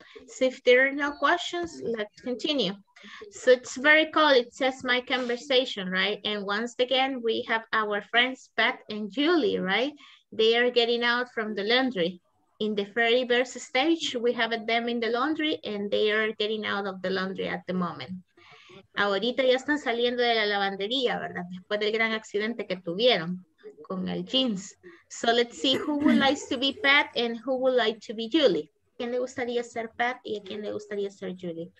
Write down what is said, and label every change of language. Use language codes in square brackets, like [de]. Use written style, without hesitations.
[en] So if there are no questions, let's continue. So it's very cold. It says my conversation, right? And once again, we have our friends Pat and Julie, right? They are getting out from the laundry. In the very first stage, we have them in the laundry and they are getting out of the laundry at the moment. [es] Ahorita ya están saliendo de la lavandería, ¿verdad? Después del gran accidente que tuvieron con el jeans. [en] So let's see who would like to be Pat and who would like to be Julie. [es] ¿Quién le gustaría ser Pat y a quién le gustaría ser Julie?